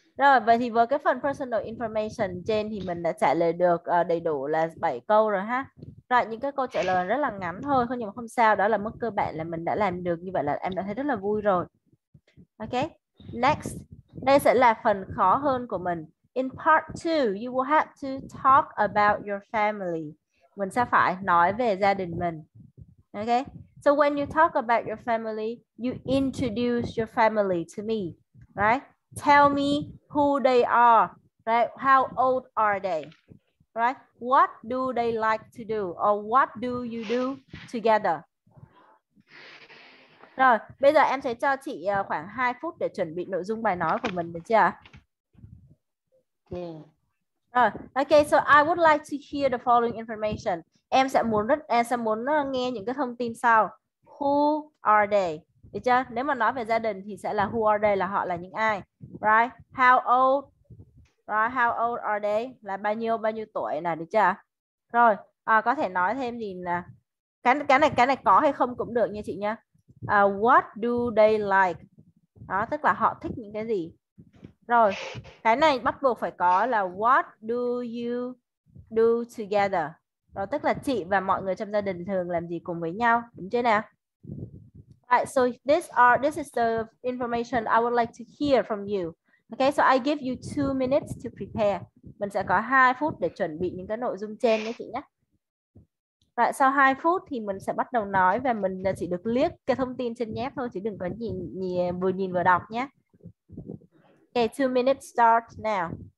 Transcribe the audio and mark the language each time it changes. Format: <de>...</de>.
<vi>Rồi, vậy thì với cái phần personal information trên thì mình đã trả lời được đầy đủ là 7 câu rồi ha. Rồi, những cái câu trả lời rất là ngắn thôi, nhưng mà không sao, đó là mức cơ bản là mình đã làm được. Như vậy là em đã thấy rất là vui rồi.</vi> <en>Ok, next.</en> <vi>Đây sẽ là phần khó hơn của mình.</vi> <en>In part 2, you will have to talk about your family.</en> <vi>Mình sẽ phải nói về gia đình mình.</vi> <en>Ok, so when you talk about your family, you introduce your family to me, right? Tell me who they are, right? How old are they, right? What do they like to do, or what do you do together?</en> <vi>Rồi, bây giờ em sẽ cho chị khoảng 2 phút để chuẩn bị nội dung bài nói của mình, được chưa?</vi> <en>Yeah. Okay, so I would like to hear the following information.</en> <vi>Em sẽ muốn nghe những cái thông tin sau.</vi> <en>Who are they?</en> <vi>Được chưa? Nếu mà nói về gia đình thì sẽ là</vi> <en>who are they,</en> <vi>là họ là những ai, right?</vi> <en>How old, right? How old are they,</en> <vi>là bao nhiêu tuổi nè, được chưa? Rồi, có thể nói thêm gì nè, cái này có hay không cũng được nha chị nha.</vi> <en>What do they like,</en> <vi>đó, tức là họ thích những cái gì. Rồi, cái này bắt buộc phải có là</vi> <en>what do you do together,</en> <vi>đó, tức là chị và mọi người trong gia đình thường làm gì cùng với nhau, đúng chưa nào?</vi> <en>Right, so this is the information I would like to hear from you. Okay, so I give you 2 minutes to prepare.</en> <vi>Mình sẽ có 2 phút để chuẩn bị những cái nội dung trên đấy chị nhé. Right, sau 2 phút thì mình sẽ bắt đầu nói và mình chỉ được liếc cái thông tin trên nhép thôi, chứ đừng có nhìn vừa đọc nhé.</vi> <en>Okay, 2 minutes start now.</en>